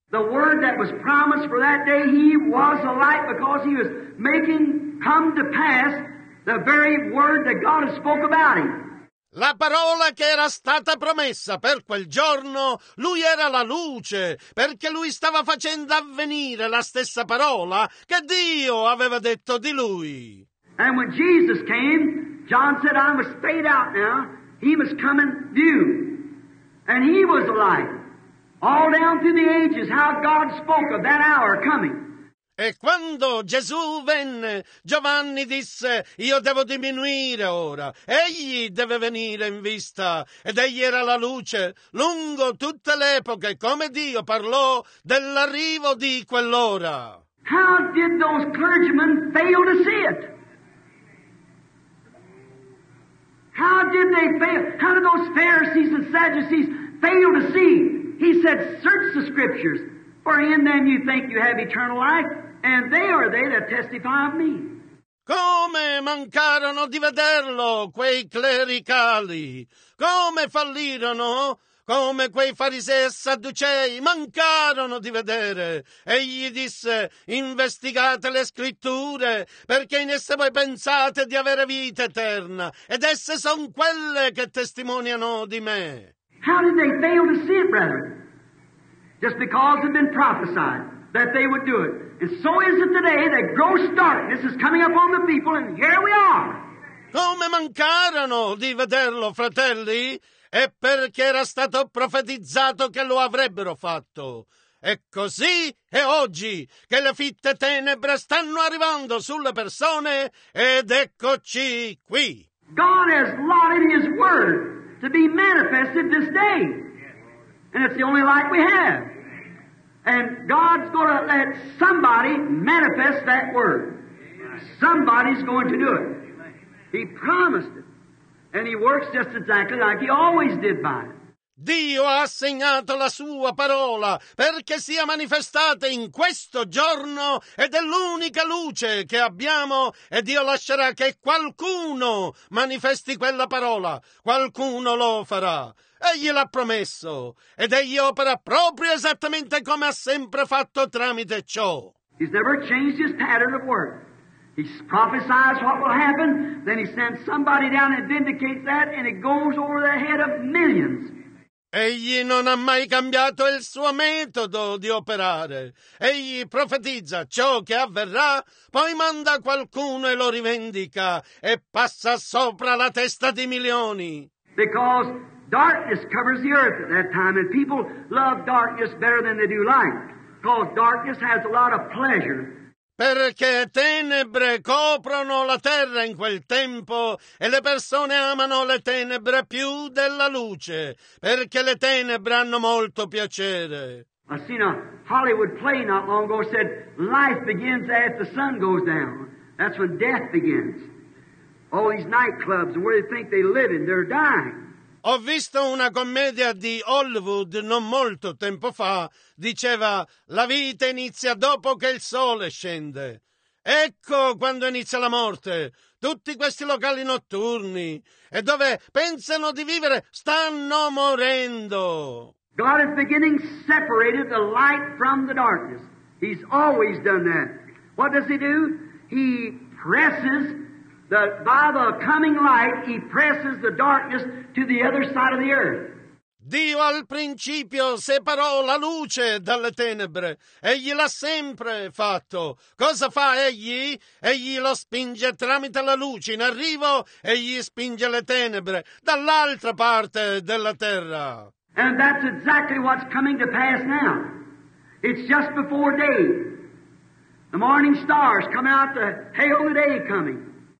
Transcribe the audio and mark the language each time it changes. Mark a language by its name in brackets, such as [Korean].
[English] The word that was promised for that day, he was a light because he was making come to pass the very word that God had spoke about him. [Italian] La parola che era stata promessa per quel giorno, lui era la luce, perché lui stava facendo avvenire la stessa parola che Dio aveva detto di lui. [English] And when Jesus came, John said, I must fade out now, he must come in view. And he was the light. All down through the ages, how God spoke of that hour coming. [Italian] E quando Gesù venne, Giovanni disse, io devo diminuire ora, egli deve venire in vista, ed egli era la luce, lungo tutte le epoche, come Dio parlò dell'arrivo di quell'ora. [English] How did those clergymen fail to see it? How did they fail? How did those Pharisees and Sadducees fail to see? He said, search the scriptures, for in them you think you have eternal life. And they are they that testify of me. [Italian] Come mancarono di vederlo quei clericali? Come fallirono? Come quei farisei e sadducei mancarono di vedere? Egli disse, investigate le scritture, perché in esse voi pensate di avere vita eterna, ed esse sono quelle che testimoniano di me. [English] How did they fail to see it, brethren? Just because it had been prophesied that they would do it. And so is it today that gross darkness is coming upon the people, and here we are. [Italian] Come mancarono di vederlo, fratelli? È perché era stato profetizzato che lo avrebbero fatto. E così è oggi che le fitte tenebre stanno arrivando sulle persone, ed eccoci qui. [English] God has allotted his word to be manifested this day. And it's the only light we have. And God's going to let somebody manifest that word. Somebody's going to do it. He promised it. And he works just exactly like he always did by it. [Italian] Dio ha assegnato la sua parola perché sia manifestata in questo giorno, ed è l'unica luce che abbiamo, e Dio lascerà che qualcuno manifesti quella parola. Qualcuno lo farà. Egli l'ha promesso, ed egli opera proprio esattamente come ha sempre fatto tramite ciò. [English] He's never changed his pattern of work. He prophesies what will happen, then he sends somebody down and vindicates that, and it goes over the head of millions. [Italian] Egli non ha mai cambiato il suo metodo di operare. Egli profetizza ciò che avverrà, poi manda qualcuno e lo rivendica, e passa sopra la testa di milioni. [English] Because darkness covers the earth at that time, and people love darkness better than they do light, because darkness has a lot of pleasure. [Italian] Perché tenebre coprono la terra in quel tempo, e le persone amano le tenebre più della luce, perché le tenebre hanno molto piacere. [English] I seen a Hollywood play not long ago said, life begins as the sun goes down. That's when death begins. All these nightclubs, where they think they live in, they're dying. [Italian] Ho visto una commedia di Hollywood non molto tempo fa, diceva, la vita inizia dopo che il sole scende. Ecco quando inizia la morte, tutti questi locali notturni, e dove pensano di vivere stanno morendo. [English] God is beginning separated the light from the darkness. He's always done that. What does he do? He presses that by the coming light he presses the darkness to the other side of the earth. [Italian] Dio al principio separò la luce dalle tenebre. Egli l'ha sempre fatto. Cosa fa egli? Egli lo spinge tramite la luce in arrivo e gli spinge le tenebre dall'altra parte della terra. [English] And that's exactly what's coming to pass now. It's just before day. The morning stars come out to hail the day coming.